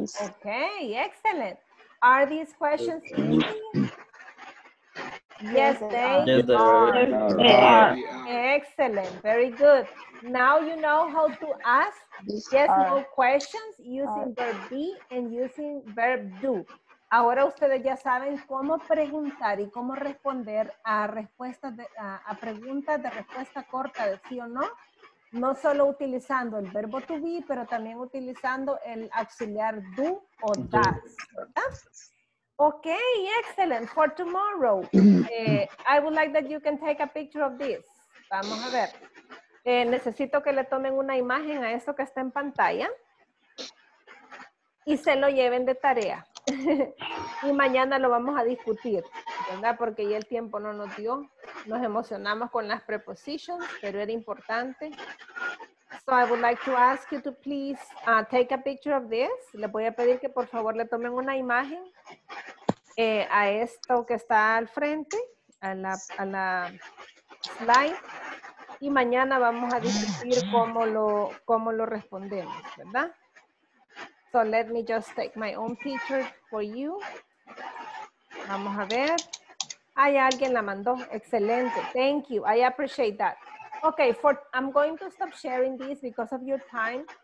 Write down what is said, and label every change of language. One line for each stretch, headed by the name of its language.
English: Okay, excellent. Are these questions easy? Yes, they are. Excellent, very good. Now you know how to ask yes, no questions using verb be and using verb do.
Spanish: Ahora ustedes ya saben cómo preguntar y cómo responder a respuestas de, a preguntas de respuesta corta de sí o no. No solo utilizando el verbo to be, pero también utilizando el auxiliar do o does.
English: Okay, excellent. For tomorrow, I would like that you can take a picture of this.
Spanish: Vamos a ver. Necesito que le tomen una imagen a esto que está en pantalla. Y se lo lleven de tarea. Y mañana lo vamos a discutir, ¿verdad? Porque ya el tiempo no nos dio. Nos emocionamos con las prepositions, pero era importante.
English: So I would like to ask you to please take a picture of this.
Spanish: Le voy a pedir que por favor le tomen una imagen a esto que está al frente, a la slide. Y mañana vamos a discutir cómo lo respondemos, ¿verdad?
English: So let me just take my own picture for you.
Spanish: Vamos a ver. Ay, alguien la mandó. Excelente.
English: Thank you. I appreciate that. Okay, I'm going to stop sharing this because of your time.